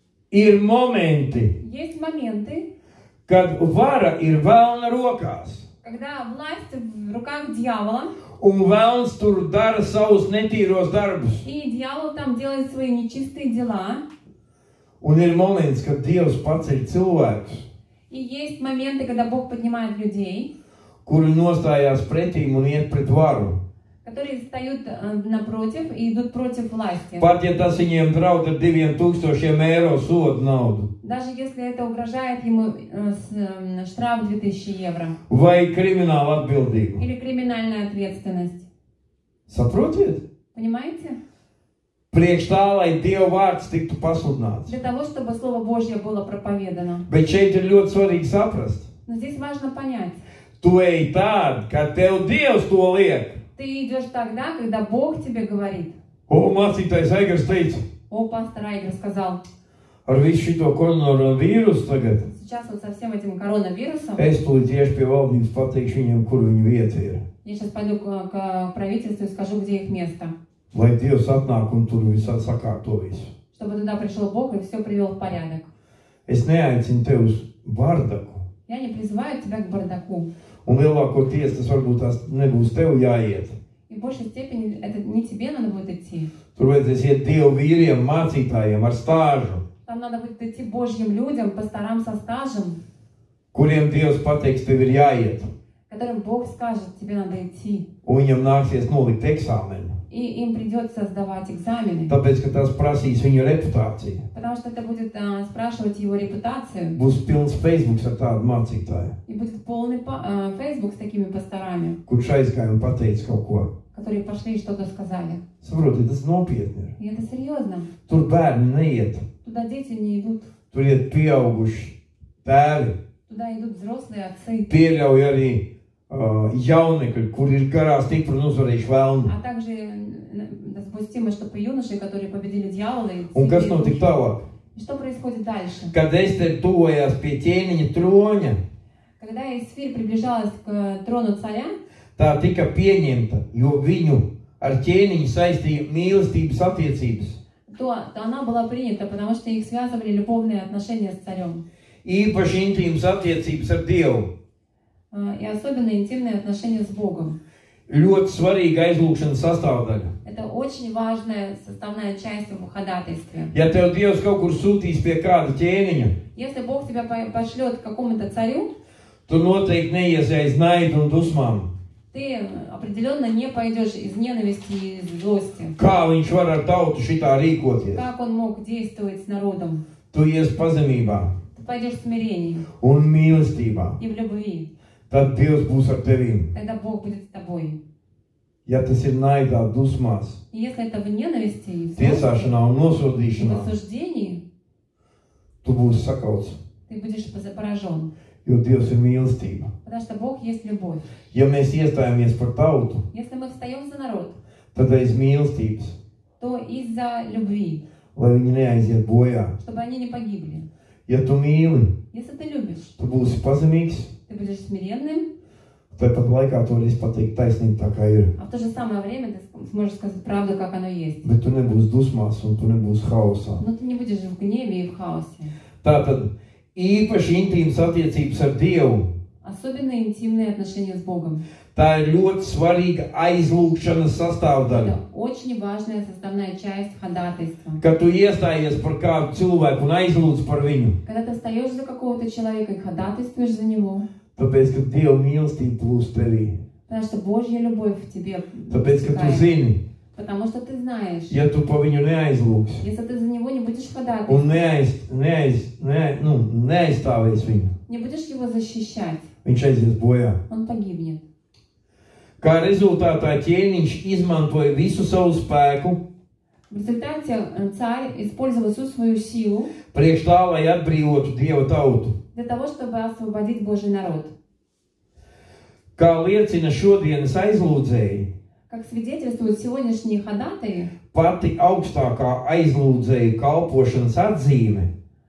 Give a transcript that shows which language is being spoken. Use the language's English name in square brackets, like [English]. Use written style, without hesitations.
[Latvian] Ir momenti. [Russian] Есть моменты. [Latvian] Kad vara ir velna rokās. [Russian] Когда власть в руках дьявола. [Latvian] Un velns tur dara savus netīros darbus. [Russian] И дьявол там делает свои нечистые дела. [Latvian] Un ir moments, kad Dievs paceļ cilvēkus. [Russian] И есть моменты, когда Бог поднимает людей. [Latvian] Kuri nostājās pretīm un iet pret varu. [Russian] Которые встают напротив и идут против власти. [Latvian] Pat ja tas viņiem draud ar 2000 eiro sodu naudu. [Russian] Даже если это угрожает ему штраф 2000 евро. [Latvian] Vai krimināla atbildība. [Russian] Или криминальная ответственность. [Latvian] Saprotiet? [Russian] Понимаете? [Latvian] Priekš tā, lai Dieva vārds tiktu pasludināts. [Russian] Для того, чтобы слово Божье было проповедано. [Latvian] Bet šeit ir ļoti svarīgi saprast. [Russian] Но здесь важно понять. [Latvian] Tu ej tad, kad tev Dievs to liek. [Russian] Ты идёшь тогда, когда Бог тебе говорит. [Latvian] O, mācītājs Aigars teica. [Russian] O, pastor Aigars сказал. [Latvian] Ar visu šito koronavīrus tagad. [Russian] Сейчас вот со всем этим коронавирусом. [Latvian] Es tu iešu pie valdības, pateikšu viņiem, kur viņa vieta ir. [Russian] Я сейчас пойду к правительству и скажу, где их место. [Latvian] Lai Dievs atnāk un tur visu sakārto visu. [Russian] Чтобы туда пришёл Бог и всё привёл в порядок. [Latvian] Es neaicinu tev uz bardaku. [Russian] Я не призываю тебя к бардаку. [Latvian] Un lielāko ties, tas varbūt tās nebūs tev jāiet. [Russian] И в большей степени это не тебе надо будет идти. [Latvian] Tur vajadzēs iet Dievu vīriem, mācītājiem ar stāžu. [Russian] Там надо будет идти Божьим людям, пасторам со стажем. [Latvian] Kuriem Dievs pateiks, tev ir jāiet. [Russian] Которым Бог скажет, тебе надо идти. [Latvian] Un viņam nāksies nolikt eksāmenu. [Russian] И им придется сдавать экзамены. [Latvian] Tāpēc, ka tās prasīs viņu reputāciju. [Russian] Потому что это будет спрашивать его репутацию. [Latvian] Būs pilns Facebooks ar tādu mācītāju. [Russian] И будет полный Facebook с такими пасторами. [Latvian] Kurš aizgāja un pateica kaut ko. [Russian] Которые пошли и что-то сказали. [Latvian] Saproti, tas nopietni ir. [Russian] И это серьезно. [Latvian] Tur bērni neiet. [Russian] Туда дети не идут. [Latvian] Tur iet pieauguši tēvi. [Russian] Туда идут взрослые отцы. [Latvian] Pieļauj arī jaunekļi, kuri ir garā stipri un uzvarējuši velnu. [Russian] А также допустимо, чтобы юноши, которые победили дьявола, и [Latvian] Un kas notika tālāk? [Russian] Что происходит дальше? [Latvian] Kad Estere tuvojās pie ķēniņa troņa, [Russian] когда Эстер приближалась к трону царя, [Latvian] tā tika pieņemta, jo viņu ar ķēniņu saistīja mīlestības attiecības. [Russian] То она была принята, потому что их связывали любовные отношения с царем. [Latvian] Īpaši intīmas attiecības ar Dievu. [Russian] И особенно интимные отношения с Богом. [Latvian] Ļoti svarīga aizlūkšanas sastāvdaļa. [Russian] Это очень важная составная часть в ходатайстве. [Latvian] Ja tev Dievs kaut kur sūtīs pie kāda ķēniņa, [Russian] если Бог тебя пошлёт к какому-то царю, [Latvian] tu noteikti neies aiz naidu un dusmām. [Russian] ты определенно не пойдешь из ненависти и из злости. [Latvian] Kā viņš var ar tautu šitā rīkoties? [Russian] Как он мог действовать с народом? [Latvian] Tu ies pazemībā. [Russian] Ты пойдешь в смирении. [Latvian] Un mīlestībā. [Russian] И в любви. [Latvian] Tad Dievs būs ar tevi. [Russian] Тогда Бог будет с тобой. [Latvian] Ja tas ir naidā, dusmās, [Russian] если это в ненависти, [Latvian] tiesāšanā un nosodīšanā, [Russian] в осуждении, [Latvian] tu būsi sakauts. [Russian] Ты будешь поражен. [Latvian] Jo Dievs ir mīlestība. [Russian] Потому что Бог есть любовь. [Latvian] Ja mēs iestājāmies par tautu, [Russian] если мы встаем за народ, [Latvian] tad aiz mīlestības, [Russian] то из-за любви, [Latvian] lai viņi neaiziet bojā, [Russian] чтобы они не погибли. [Latvian] Ja tu mīli, [Russian] если ты любишь, [Latvian] tu būsi pazemīgs, [Russian] ты будешь смиренным, [Latvian] tāpat laikā tu varēsi pateikt taisnību tā kā ir. [Russian] А в то же самое время ты сможешь сказать правду, как оно есть. [Latvian] Bet tu nebūsi dusmās un tu nebūsi haosā. [Russian] Но ты не будешь в гневе и в хаосе. [Latvian] Tātad, īpaši intīmas attiecības ar Dievu. [Russian] Особенно интимные отношения с Богом. [Latvian] Tā ir ļoti svarīga aizlūkšanas sastāvdaļa. [Russian] Очень важная составная часть ходатайства. [Latvian] Kad tu iestājies par kādu cilvēku un aizlūdz par viņu. [Russian] Когда ты встаёшь за какого-то человека и ходатайствуешь за него. [Latvian] Tāpēc, ka Dieva mīlestība būs tevī. [Russian] Потому что Божья любовь в тебе. [Latvian] Tāpēc, ka tu zini. [Russian] Потому что ты знаешь. [Latvian] Ja tu pa viņu neaizlūksi. [Russian] Если ты за него не будешь ходатайствовать. [Latvian] Un neaizstāvēs viņu. [Russian] Не будешь его защищать. [Latvian] Viņš aizies bojā. [Russian] Он погибнет. [Latvian] Kā rezultātā ķēniņš izmantoja visu savu spēku. [Russian] В результате царь использовал всю свою силу. [Latvian] Priekš tā, lai atbrīvotu Dieva tautu. [Russian] Для того, чтобы освободить Божий народ. [Latvian] Kā liecina šodienas aizlūdzēji. [Russian] Как свидетельствуют сегодняшние ходатаи. [Latvian] Pati augstākā aizlūdzēju kalpošanas atzīme.